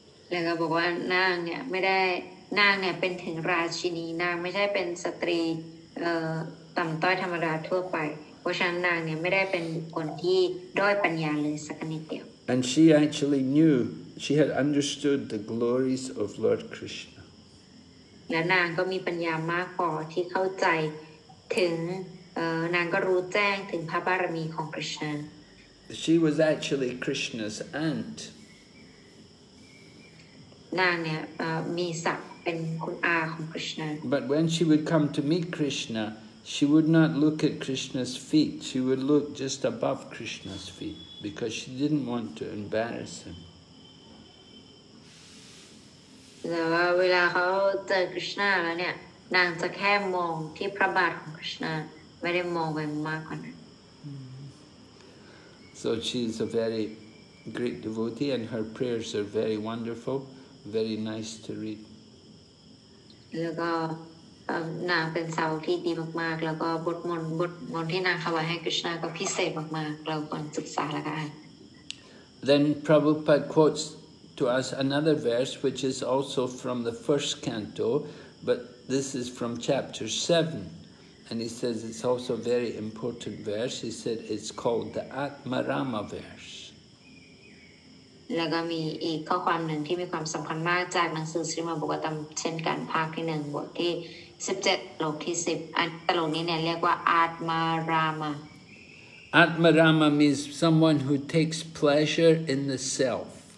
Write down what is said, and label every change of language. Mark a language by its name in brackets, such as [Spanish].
[Thai] แล้วก็บอกว่านางเนี่ยไม่ได้นางเนี่ยเป็นถึงราชินีนางไม่ใช่เป็นสตรีต่ำต้อยธรรมดาทั่วไปเพราะฉะนั้นนางเนี่ยไม่ได้เป็นคนที่ด้อยปัญญาเลยสักนิดเดียว [English] And she actually knew she had understood the glories of Lord Krishna. [Thai] และนางก็มีปัญญามากพอที่เข้าใจถึงนางก็รู้แจ้งถึงพระบารมีของกฤษณ [English] ะ She was actually Krishna's aunt [Thai] นางเนี่ยมีศักดิ์เป็นคุณอาของกฤษณะ [English] But when she would come to meet Krishna she would not look at Krishna's feet she would look just above Krishna's feet because she didn't want to embarrass him [Thai] แล้วเวลาเขาเจอกฤษณะแล้วเนี่ยนางจะแค่มองที่พระบาทของกฤษณะไม่ได้มองไปมากกว่านั้น [English] So she is a very great devotee and her prayers are very wonderful, very nice to read. [Thai] แล้วก็นางเป็นสาวที่ดีมากๆแล้วก็บทมนต์ที่นางถวายให้กฤษณะก็พิเศษมากๆเราควรศึกษาแล้วกัน [English] Then Prabhupada quotes to us another verse which is also from the first canto, but This is from chapter 7, and he says it's also a very important verse. He said it's called the Atmarama verse. [Thai] แล้วก็มีอีกข้อความหนึ่งที่มีความสำคัญมากจากหนังสือศรีมหาบุคคลตามเช่นกันภาคที่หนึ่งบทที่17โลกที่10อันตรงนี้เนี่ยเรียกว่าอัตมาราม [English] ะ Atmarama means someone who takes pleasure in the self.